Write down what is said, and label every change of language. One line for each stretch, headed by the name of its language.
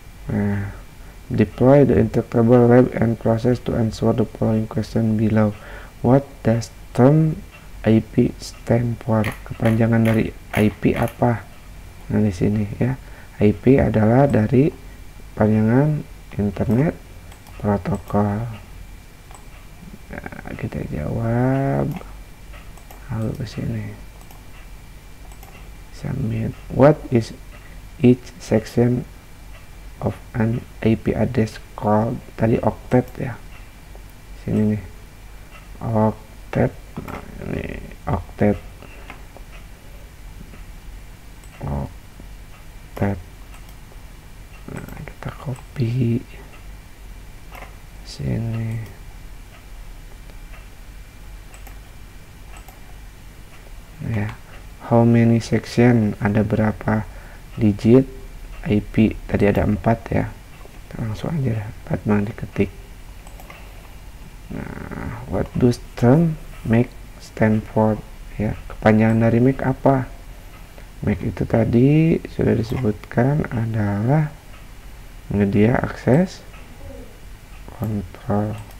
English: Nah, deploy the interpretable web and process to answer the following question below. What does term IP stand for?
Indonesian: Kepanjangan dari IP apa? Nah, di sini ya. IP adalah dari panjangan internet protokol. Nah, kita jawab. Lalu ke sini.
English: Submit. What is each section of an IP address called?
Indonesian: Tadi octet ya. Sini nih. Octet, ini octet, octet. Nah, kita copy sini. Ya,
English: how many section?
Indonesian: Ada berapa digit IP? Tadi ada 4 ya. Langsung aja lah, 4 mah diketik.
English: Nah, what does term MAC stand for?
Indonesian: Ya, kepanjangan dari MAC apa? MAC itu tadi sudah disebutkan adalah Media Access Control.